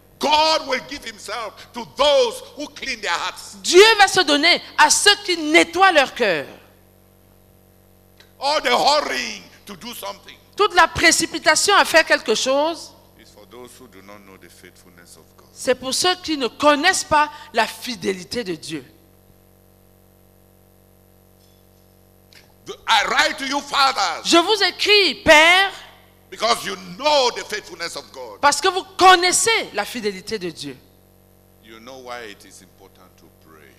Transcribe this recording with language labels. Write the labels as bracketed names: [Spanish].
[English] God will give himself to those who clean their hearts. [French] Dieu va se donner à ceux qui nettoient leur cœur. [English] All the hurrying to do something. [French] Toute la précipitation à faire quelque chose. [English] It's for those who do not know the faithfulness of God. [French] C'est pour ceux qui ne connaissent pas la fidélité de Dieu. [English] I write to you, fathers. [French] Je vous écris, pères. [English] Because you know the faithfulness of God. [French] Parce que vous connaissez la fidélité de Dieu. [English] You know why it is important to pray.